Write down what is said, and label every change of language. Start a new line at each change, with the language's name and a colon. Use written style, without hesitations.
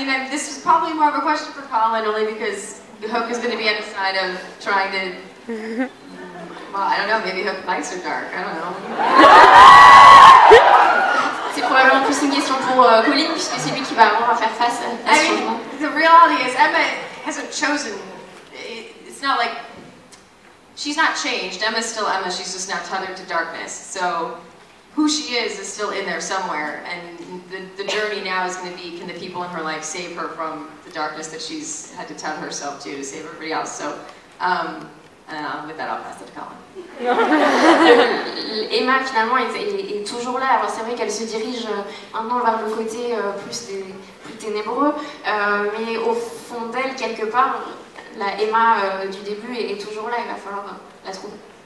English: This is probably more of a question for Colin, only because Hook is going to be on the side of trying to... Well, I don't know, maybe Hook likes her dark, I don't know.
French: C'est probablement plus une question pour Colin, puisque c'est lui qui va avoir à faire face à ce changement.
English: The reality is, Emma hasn't chosen... It's not like... She's not changed. Emma's still Emma, she's just now tethered to darkness. So, who she is still in there somewhere, and the journey now is going to be, can the people in her life save her from the darkness that she's had to tether herself to save everybody else? So, with that, I'll pass it to Colin.
French: Emma, finalement, est toujours là. Alors, c'est vrai qu'elle se dirige maintenant vers le côté plus ténébreux, mais au fond d'elle, quelque part, la Emma du début est toujours là. Il va falloir la trouver.